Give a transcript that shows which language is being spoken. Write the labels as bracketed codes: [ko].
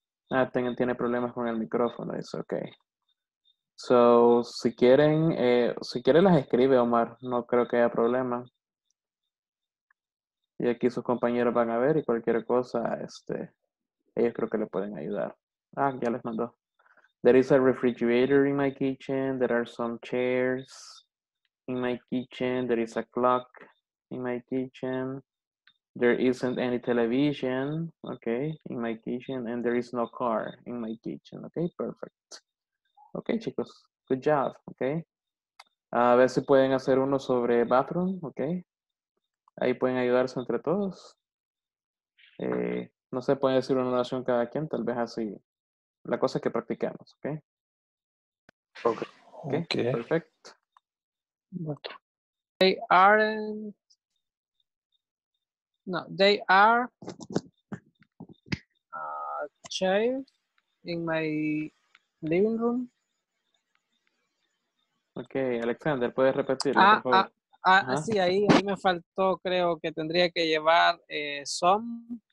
[es] Ah, tiene problemas con el micrófono, dice, okay. So, si quieren las escribe, Omar, no creo que haya problema. Y aquí sus compañeros van a ver y cualquier cosa, ellos creo que le pueden ayudar. Ah, ya les mandó. [en] There is a refrigerator in my kitchen, there are some chairs in my kitchen, there is a clock in my kitchen, There isn't any television, okay, in my kitchen, and there is no car in my kitchen, okay, perfect. Okay, chicos, good job, okay. [es] A ver si pueden hacer uno sobre bathroom, okay. Ahí pueden ayudarse entre todos. No se puede decir una oración cada quien, tal vez así. La cosa es que practiquemos, okay. [en] Okay. Okay. Okay. Perfect. They aren't. No, they are a chair in my living room. [es] Okay, Alexander, ¿puedes repetirlo, por favor? Ah, sí, ahí me faltó, creo que tendría que llevar some.